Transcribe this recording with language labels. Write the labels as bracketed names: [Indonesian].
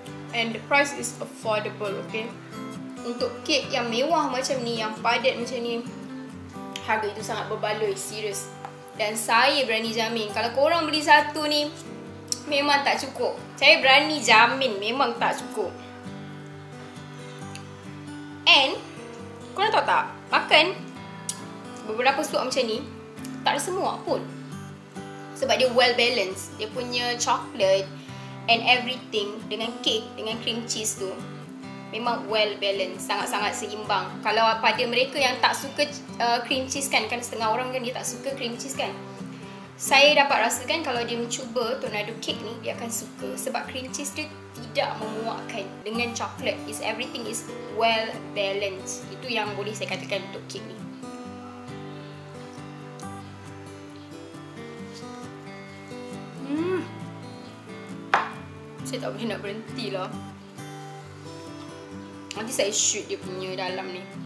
[English] And the price is affordable, okay? [Malay] Untuk kek yang mewah macam ni, yang padat macam ni, harga itu sangat berbaloi, serius. Dan saya berani jamin, kalau korang beli satu ni, memang tak cukup. Saya berani jamin, memang tak cukup. And, korang tahu tak, makan beberapa suap macam ni, tak ada semua pun. Sebab dia well balanced. Dia punya chocolate and everything dengan cake, dengan cream cheese tu, memang well balanced, sangat-sangat seimbang. Kalau pada mereka yang tak suka cream cheese kan, kan setengah orang kan dia tak suka cream cheese kan, saya dapat rasakan kalau dia mencuba Tornado Cake ni, dia akan suka. Sebab cream cheese dia tidak memuakkan dengan chocolate. [English] It's everything is well balanced. [Malay] Itu yang boleh saya katakan untuk cake ni. Saya tak boleh nak berhenti lah. Nanti saya shoot dia punya dalam ni.